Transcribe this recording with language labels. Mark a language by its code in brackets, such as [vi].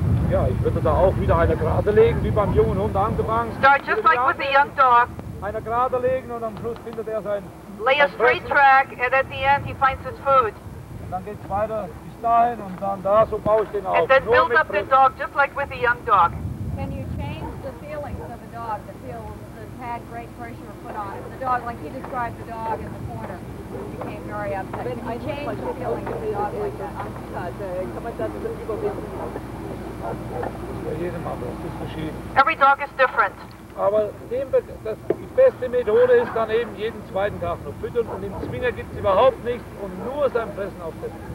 [de] Ja, ich würde da auch wieder eine gerade legen, wie beim jungen Hund angefangen. [en] Start just like with the young dog. [de] Eine gerade legen und am Schluss findet sein. [en] Lay a straight track, and at the end he finds his food. [de] Und dann geht's weiter bis dahin und dann da, so baue ich den auf. [en] And then build up the dog, just like with the young dog. Can you change the feelings of a dog that feels has had great pressure put on it? The dog, like he described the dog in the corner, became very upset. Can you change the feeling of the dog like that? Every dog is different. [de] Aber die beste Methode ist dann eben jeden zweiten Tag noch füttern und im Zwinger gibt es überhaupt nichts und nur sein Fressen auf den.